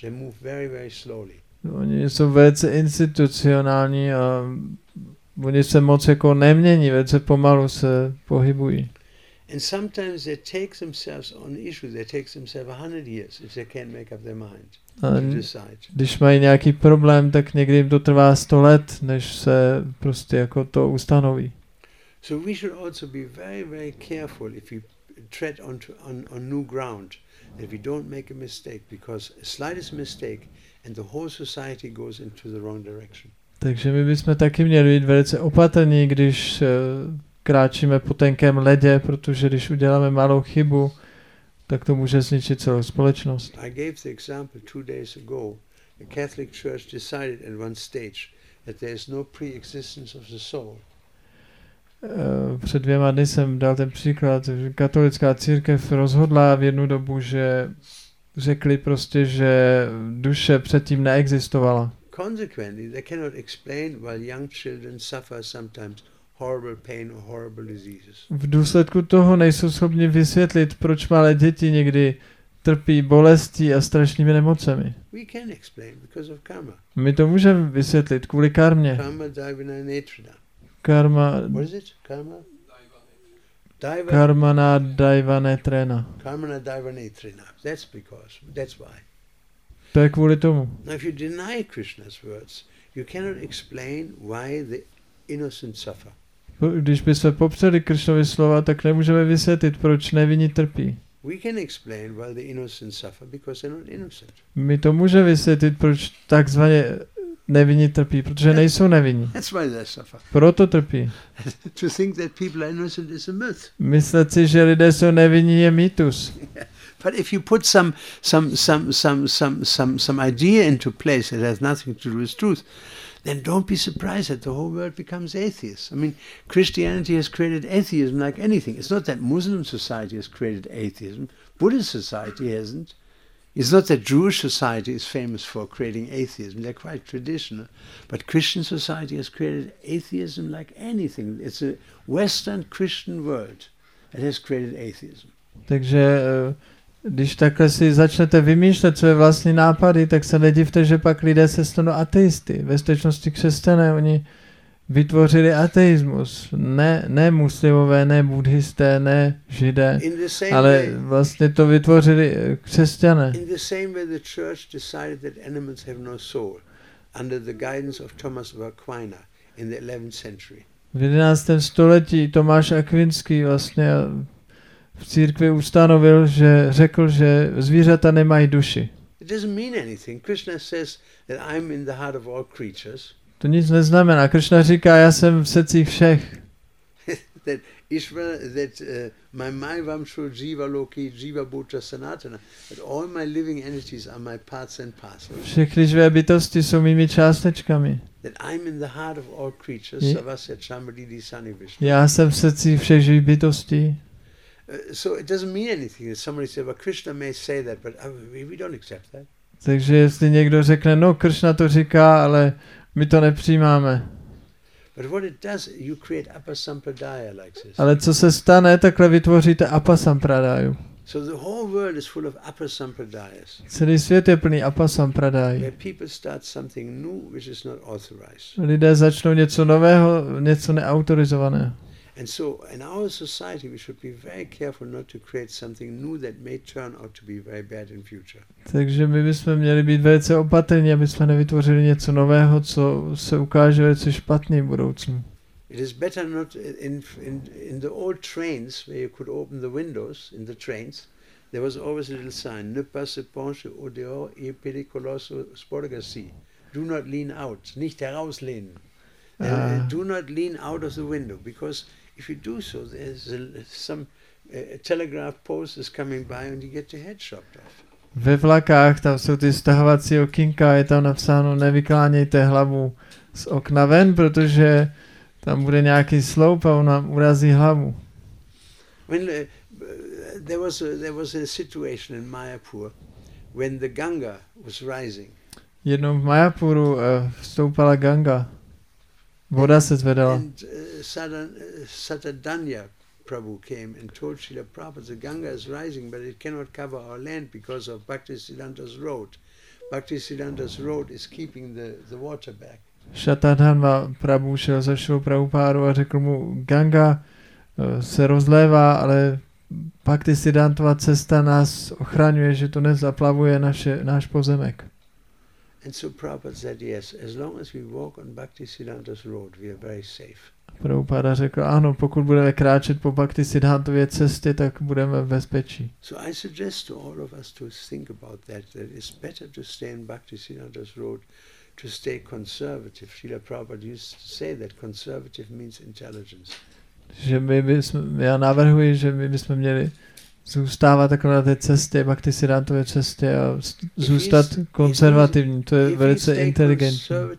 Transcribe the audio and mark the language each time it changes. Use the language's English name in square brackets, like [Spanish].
[English] They move very, very slowly. [Czech] Oni jsou velice institucionální a oni se moc jako nemění, velice pomalu se pohybují. [English] And sometimes they take themselves on issues. They take themselves 100 years if they can't make up their mind. [Czech] Když mají nějaký problém, tak někdy jim to trvá 100 let, než se prostě jako to ustanoví. [English] So we should also be very, very careful if we tread on new ground, that we don't make a mistake, because the slightest mistake and the whole society goes into the wrong direction. [Czech] Takže my bychom taky měli být velice opatrní, když kráčíme po tenkém ledě, protože když uděláme malou chybu, tak to může zničit celou společnost. [English] I gave the example 2 days ago. The Catholic Church decided at one stage that there is no pre-existence of the soul. [Czech] Před 2 dny jsem dal ten příklad, že katolická církev rozhodla v jednu dobu, že řekli prostě, že duše předtím neexistovala. [English] Consequently, they cannot explain why young children suffer sometimes horrible pain or horrible diseases. [Czech] V důsledku toho nejsou schopni vysvětlit, proč malé děti někdy trpí bolestí a strašnými nemocemi. [English] We can explain because of karma. [Czech] My to můžeme vysvětlit kvůli karmě. [English] Karma divina nature. Karma. What is it? Karma. Daiva. Karma na daivane trena. Karma na daivane trena. That's because. That's why. [Czech] To je kvůli tomu. [English] Now if you deny Krishna's words, you cannot explain why the innocent suffer. [Czech] Když bychom popřeli Krishnovy slova, tak nemůžeme vysvětlit, proč nevinní trpí. [English] We can explain why the innocent suffer because they're not innocent. [Czech] My to můžeme vysvětlit, proč takzvaně nevinní trpí, protože nejsou nevinní. [English] That's why they suffer. [Czech] Proto trpí. [English] To think that people are innocent is a myth. [Czech] Myslet si, že lidé jsou nevinní, je mýtus. [English] But if you put some idea into place that has nothing to do with truth, then don't be surprised that the whole world becomes atheist. I mean, Christianity has created atheism like anything. It's not that Muslim society has created atheism. Buddhist society hasn't. It's not that Jewish society is famous for creating atheism. They're quite traditional. But Christian society has created atheism like anything. It's a Western Christian world that has created atheism. [Czech] Takže když takhle si začnete vymýšlet své vlastní nápady, tak se nedivte, že pak lidé se stanou ateisty. Ve skutečnosti křesťané, oni vytvořili ateismus. Ne muslimové, ne buddhisté, ne židé, ale vlastně to vytvořili křesťané. [English] In the same way the church decided that animals have no soul under the guidance of Thomas of Aquino in the 11th century. [Czech] V 11. století Tomáš Akvinský vlastně v církvi ustanovil, že řekl, že zvířata nemají duši. [English] It doesn't mean anything. Krishna says that I'm in the heart of all creatures. [Czech] To nic neznamená. Krishna říká, já jsem v srdcích všech. [English] That Ishvara, that my Maivamsha, Jiva Loki, Jiva Bhuta Sanatana, that all my living entities are my parts and parcels. [Czech] Všechny živé bytosti jsou mými částečkami. [English] That I'm in the heart of all creatures, Savasya Chamadidi Sani Vishnu. [Czech] Já jsem v srdcích všech živých bytostí. [English] So it doesn't mean anything that somebody said, well, Krishna may say that, but we don't accept that. [Czech] Takže jestli někdo řekne, no, Krishna to říká, ale my to nepřijímáme. [English] But what it does, you create apasampradaya like this. [Czech] Ale co se stane, takhle vytvoříte apasampradaju. [English] So the whole world is full of apasampradayas. [Czech] Celý svět je plný apasampradaj. [English] Where people start something new, which is not authorized. [Czech] Lidé začnou něco nového, něco neautorizovaného. [English] And so in our society we should be very careful not to create something new that may turn out to be very bad in future. [Czech] Takže my bychom měli být velice opatrní, aby jsme nevytvořili něco nového, co se ukáže jako špatný v budoucnu. [English] It is better not in the old trains where you could open the windows in the trains, there was always a little sign, [French] ne passe penche au dehors, il est périlleux [English] sporgasi. Do not lean out, [German] nicht herauslehnen. [English] Do not lean out of the window, because if you do so, there's a telegraph post is coming by and you get your head chopped off. [Czech] Ve vlakách, tam jsou ty stahovací okýnka, je tam napsáno, nevyklánějte hlavu z okna ven, protože tam bude nějaký sloup a on nám urazí hlavu. [English] When there was a situation in Mayapur when the Ganga was rising. [Czech] Jednou v Mayapuru vstoupala Ganga. Voda se zvedala. [English] And Satadanya Prabhu came and told Srila Prabhupada, the Ganga is rising, but it cannot cover our land because of Bhaktisiddhanta's road. Bhaktisiddhanta's road is keeping the water back. [Czech] Satadanya Prabhu šel za Srila Prabhupádu a řekl mu, Ganga se rozlévá, ale Bhaktisiddhantova cesta nás ochraňuje, že to nezaplavuje náš pozemek. [English] And so Prabhupada said, yes, as long as we walk on Bhaktisiddhanta's road, we are very safe. [Czech] Prabhupada řekl, ano, pokud budeme kráčet po bhakti siddhantově cestě, tak budeme v bezpečí. [English] So I suggest to all of us to think about that, that it's better to stay in bhakti siddhanta's road, to stay conservative. Srila Prabhupada used to say that conservative means intelligence. [Czech] Že my bychom, já navrhuji, že my bychom měli zůstávat takhle na té cestě, bhakti siddhantově cestě a zůstat konzervativní, to je velice inteligentní.